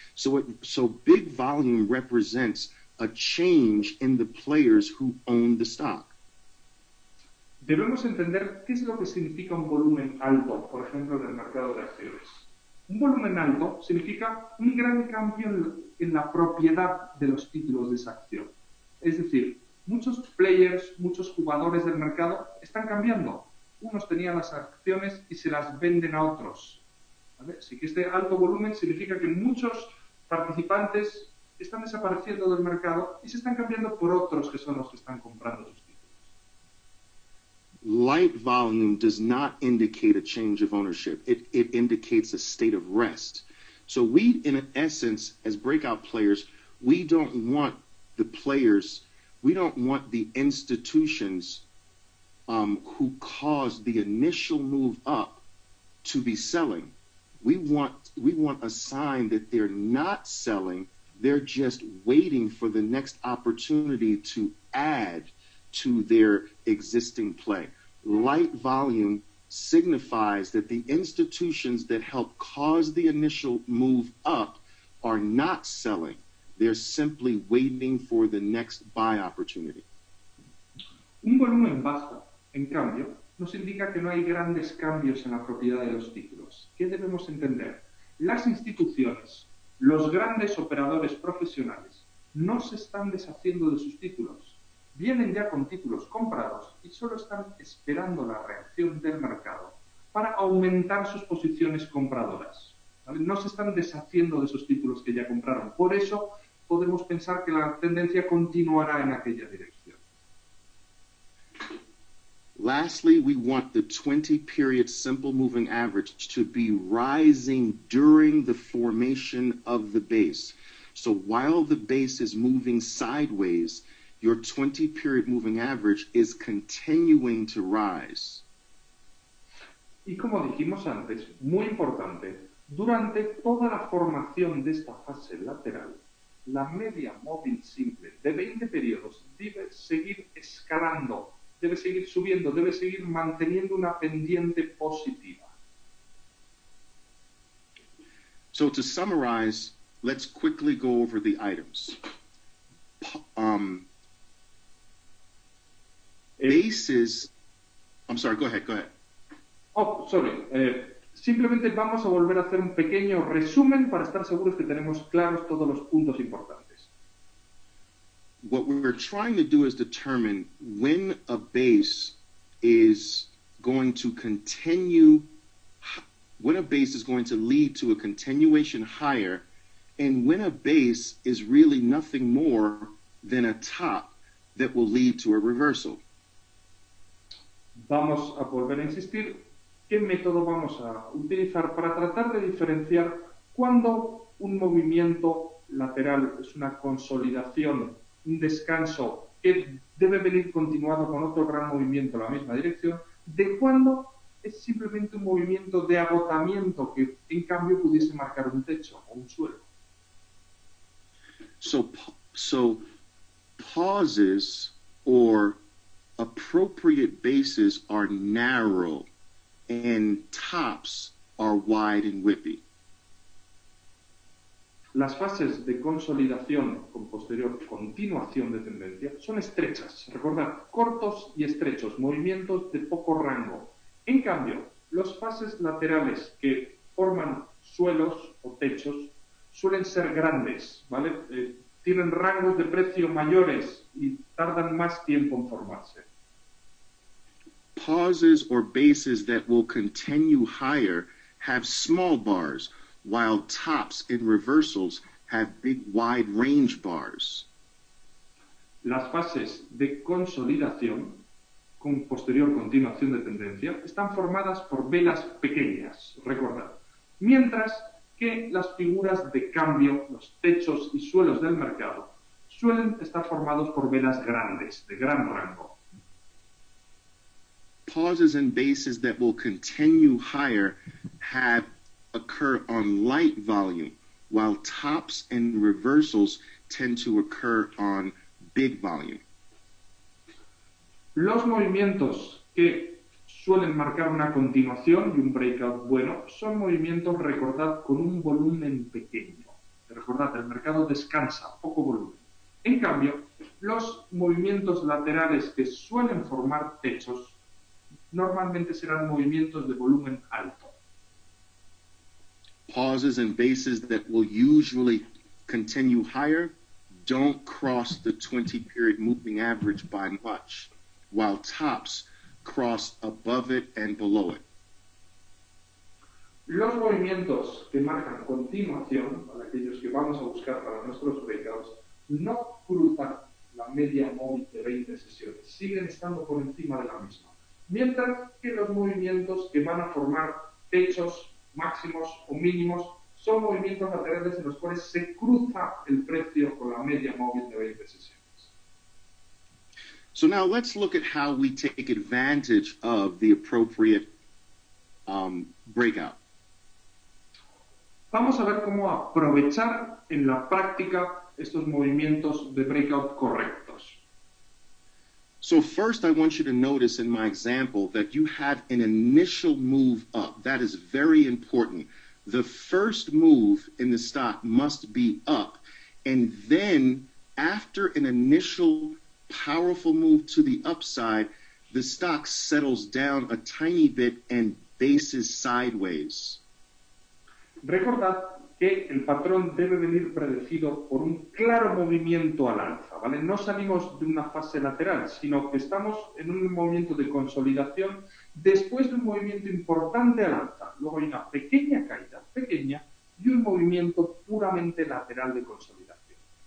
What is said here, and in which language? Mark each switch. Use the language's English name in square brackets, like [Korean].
[English] So big volume represents a change in the players who own the stock. [Spanish] Debemos entender qué es lo que significa un volumen alto, por ejemplo, en el mercado de acciones. Un volumen alto significa un gran cambio en la propiedad de los títulos de esa acción. Es decir, muchos players, muchos jugadores del mercado están cambiando. Unos tenían las acciones y se las venden a otros. ¿Vale? Así que este alto volumen significa que muchos participantes están desapareciendo del mercado y se están cambiando por otros que son los que están comprando sus títulos. [English] Light volume does not indicate a change of ownership. It indicates a state of rest. So we, in essence, as breakout players, we don't want the players, we don't want the institutions who caused the initial move up to be selling. We want a sign that they're not selling, they're just waiting for the next opportunity to add to their existing play. Light volume signifies that the institutions that help cause the initial move up are not selling, they're simply waiting for the next buy opportunity. [Spanish] Un volumen bajo, en cambio, nos indica que no hay grandes cambios en la propiedad de los títulos. ¿Qué debemos entender? Las instituciones, los grandes operadores profesionales, no se están deshaciendo de sus títulos. Vienen ya con títulos comprados y solo están esperando la reacción del mercado para aumentar sus posiciones compradoras. ¿Vale? No se están deshaciendo de esos títulos que ya compraron. Por eso podemos pensar que la tendencia continuará en aquella dirección. [English] Lastly, we want the 20-period simple moving average to be rising during the formation of the base. So while the base is moving sideways, your 20-period moving average is continuing to rise. [Spanish] Y como dijimos antes, muy importante, durante toda la formación de esta fase lateral, la media móvil simple de 20 periodos debe seguir escalando. Debe seguir subiendo, debe seguir manteniendo una pendiente positiva. [English] So to summarize, let's quickly go over the items. Bases, I'm sorry, go ahead. Oh, sorry. [Spanish] Simplemente vamos a volver a hacer un pequeño resumen para estar seguros que tenemos claros todos los puntos importantes. [English] what we're trying to do is determine when a base is going to continue, when a base is going to lead to a continuation higher, and when a base is really nothing more than a top that will lead to a reversal. [Spanish] Vamos a volver a insistir, ¿qué método vamos a utilizar para tratar de diferenciar cuando un movimiento lateral es una consolidación, un descanso que debe venir continuado con otro gran movimiento en la misma dirección, de cuando es simplemente un movimiento de agotamiento que en cambio pudiese marcar un techo o un suelo? [English] So pauses or appropriate bases are narrow and tops are wide and whippy. [Spanish] Las fases de consolidación con posterior continuación de tendencia son estrechas. Recordad, cortos y estrechos, movimientos de poco rango. En cambio, las fases laterales que forman suelos o techos suelen ser grandes, ¿vale? Tienen rangos de precio mayores y tardan más tiempo en formarse. [English] Pauses or bases that will continue higher have small bars, while tops and reversals have big wide range bars. [Spanish] Las fases de consolidación con posterior continuación de tendencia están formadas por velas pequeñas, recordad, mientras que las figuras de cambio, los techos y suelos del mercado suelen estar formados por velas grandes, de gran rango. [English] Pauses and bases that will continue higher have occur on light volume, while tops and reversals tend to occur on big volume. [Spanish] Los movimientos que suelen marcar una continuación y un breakout bueno son movimientos, recordad, con un volumen pequeño. Recordad, el mercado descansa, poco volumen. En cambio, los movimientos laterales que suelen formar techos normalmente serán movimientos de volumen alto. [English] Pauses and bases that will usually continue higher don't cross the 20-period moving average by much, while tops cross above it and below it. [Spanish] Los movimientos que marcan continuación, para aquellos que vamos a buscar para nuestros breakouts, no cruzan la media móvil de 20 sesiones, siguen estando por encima de la misma. Mientras que los movimientos que van a formar techos máximos o mínimos son movimientos laterales en los cuales se cruza el precio con la media móvil de 20 sesiones. [English] So now let's look at how we take advantage of the appropriate breakout. [Spanish] Vamos a ver cómo aprovechar en la práctica estos movimientos de breakout correctos. [English] So first, I want you to notice in my example that you have an initial move up. That is very important. The first move in the stock must be up. And then after an initial powerful move to the upside, the stock settles down a tiny bit and bases sideways. [Spanish] Recordad que el patrón debe venir predecido por un claro movimiento al alza, ¿vale? No salimos de una fase lateral, sino que estamos en un movimiento de consolidación después de un movimiento importante al alza. Luego hay una pequeña caída, pequeña, y un movimiento puramente lateral de consolidación.